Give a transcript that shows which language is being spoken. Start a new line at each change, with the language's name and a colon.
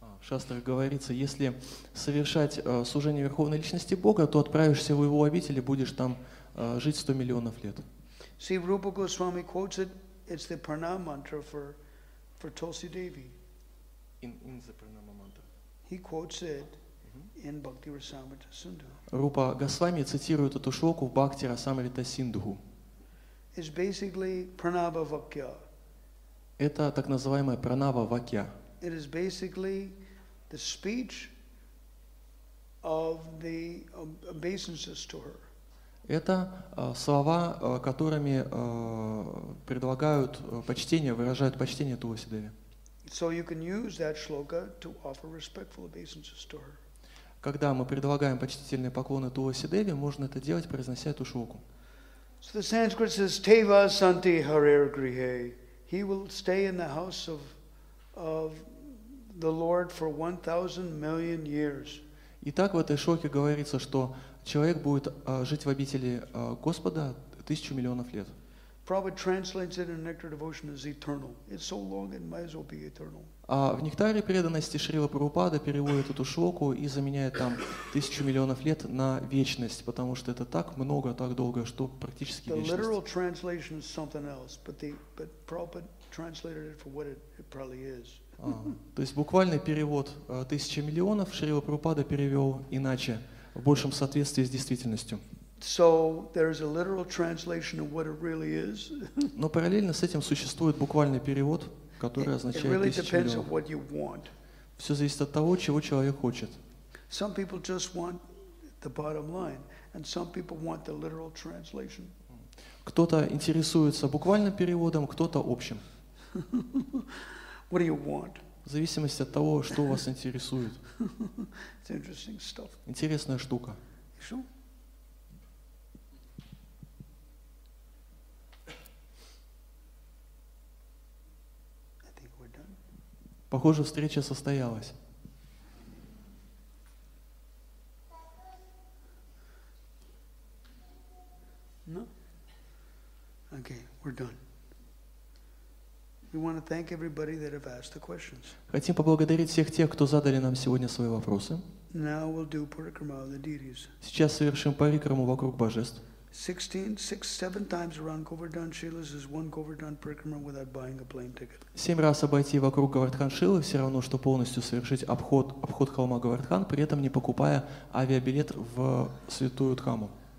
Russian: В Шастрах говорится, если совершать служение Верховной Личности Бога, то отправишься в Его обители, будешь там жить 100 миллионов лет.
English: See, Rupa Goswami quotes it, it's the Pranam mantra for Tulsi Devi. In the Pranam mantra. He quotes it in Bhakti Rasamrita Sindhu.
Russian: Rupa Goswami цитирует эту шлоку в Бхакти Расамрита Синдху.
English: It's basically Pranava Vakya.
Russian: Это так называемая Pranava Vakya.
English: It is basically the speech of the obeisances to her.
Russian: Это слова, которыми предлагают почтение, выражают почтение Туласи Деви.
English: So you can use that shloka to offer respectful obeisances to her.
Russian: Когда мы предлагаем почтительные поклоны Туласи Деви, можно это делать, произнося эту шлоку.
English: So the Sanskrit says,
Sanskrit: "Teva Santi Harir Grihe."
English: He will stay in the house of the Lord for 1,000 million years.
Russian: Итак, в этой шлоке говорится, что человек будет жить в обители Господа 1,000 миллионов лет.
English: Prabhupada translates it in Nectar Devotion as eternal. It's so long, it might as well be eternal.
Russian: А в Нектаре преданности Шрила Прабхупада переводит эту шлоку и заменяет там 1,000 миллионов лет на вечность, потому что это так много, так долго, что практически вечность.
English: The literal translation is something else, but Prabhupada translated it for what it probably is.
Russian: То есть буквальный перевод 1,000 миллионов Шрила Прабхупада перевел иначе, в большем соответствии с действительностью.
English: So there is a literal translation of what it really is.
Russian: Но параллельно с этим существует буквальный перевод, который означает 1,000 миллионов.
English: It really depends on what you want.
Russian: Все зависит от того, чего человек хочет.
English: Some people just want the bottom line, and some people want the literal translation.
Russian: Кто-то интересуется буквальным переводом, кто-то общим.
English: What do you want?
Russian: В зависимости от того, что вас интересует.
English: It's interesting stuff.
Russian: Интересная штука.
English: Sure. I think we're done.
Russian: Похоже, встреча состоялась.
English: No. Okay, we're done. We want to thank everybody that have asked the questions.
Russian: Хотим поблагодарить всех тех, кто задали нам сегодня свои вопросы.
English: Now we'll do parikrama of the deities.
Russian: Сейчас совершим парикраму вокруг божеств.
English: 7 times around Govardhan Shila is one Govardhan parikrama without buying a plane ticket.
Russian: 7 раз обойти вокруг Говардхан Шилы все равно, что полностью совершить обход холма Говардхан, при этом не покупая авиабилет в святую Дхаму.